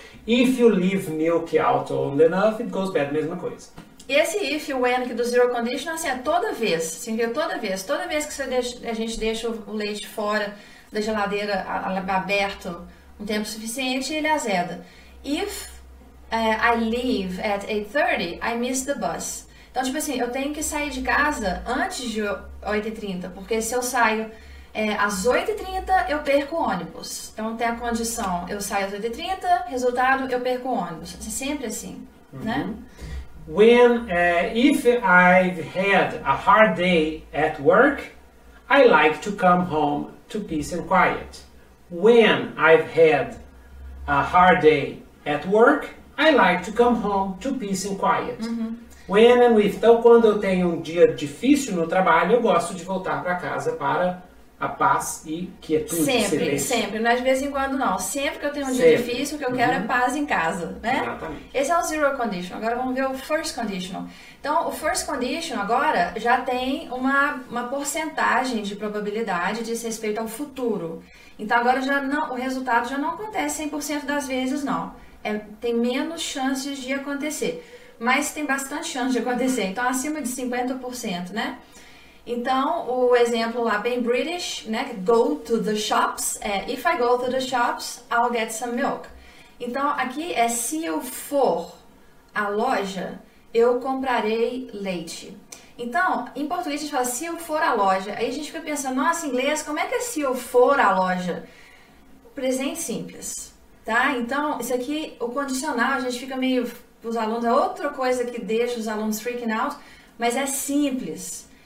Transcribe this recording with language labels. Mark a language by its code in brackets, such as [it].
[en] If you leave milk out long enough, it goes bad. [pt] Mesma coisa. E esse if, when, que do zero condition, assim, é toda vez. Assim, toda vez. Toda vez que você deixa, a gente deixa o leite fora da geladeira aberto um tempo suficiente, ele azeda. [en] If I leave at 8:30, I miss the bus. [pt] Então, tipo assim, eu tenho que sair de casa antes de 8h30, porque se eu saio às 8h30, eu perco o ônibus. Então, tem a condição, eu saio às 8h30, resultado, eu perco o ônibus. É sempre assim, né? [en] When, if I've had a hard day at work, I like to come home to peace and quiet. When I've had a hard day at work, I like to come home to peace and quiet. When and with. [pt] Então, quando eu tenho um dia difícil no trabalho, eu gosto de voltar para casa para a paz e quietude. Sempre. Mas de vez em quando, não. Sempre que eu tenho um dia difícil, o que eu quero é paz em casa, né? Exatamente. Esse é o zero conditional. Agora vamos ver o first conditional. Então, o first conditional agora já tem uma porcentagem de probabilidade de respeito ao futuro. Então, agora já não, o resultado já não acontece 100% das vezes, não. É, tem menos chances de acontecer. Mas tem bastante chance de acontecer, então acima de 50%, né? Então, o exemplo lá, bem British, né? [en] Go to the shops, if I go to the shops, I'll get some milk. [pt] Então, aqui é se eu for à loja, eu comprarei leite. Então, em português a gente fala se eu for à loja, aí a gente fica pensando, nossa, inglês, como é que é se eu for à loja? presente simples, tá? Então, isso aqui, o condicional, a gente fica meio, os alunos, é outra coisa que deixa os alunos [en] freaking out, [pt] mas é simples.